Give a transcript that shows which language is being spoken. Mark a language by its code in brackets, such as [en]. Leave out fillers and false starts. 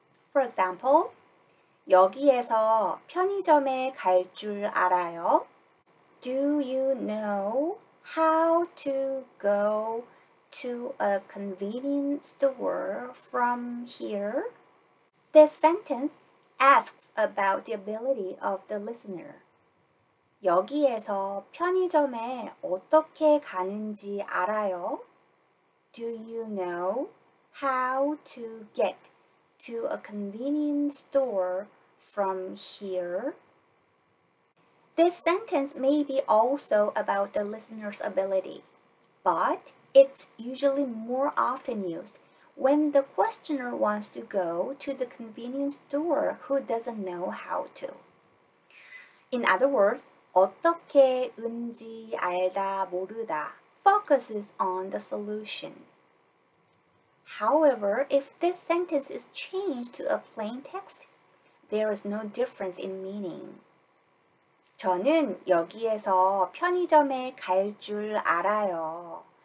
[en] For example, [ko] 여기에서 편의점에 갈 줄 알아요? [en] Do you know how to go to a convenience store from here? This sentence asks about the ability of the listener. [ko] 여기에서 편의점에 어떻게 가는지 알아요? [en] Do you know how to get to a convenience store from here? This sentence may be also about the listener's ability, but it's usually more often used when the questioner wants to go to the convenience store who doesn't know how to. In other words, [ko] 어떻게 은지 알다 모르다 [en] focuses on the solution. However, if this sentence is changed to a plain text, there is no difference in meaning. [ko] 저는 여기에서 편의점에 갈 줄 알아요.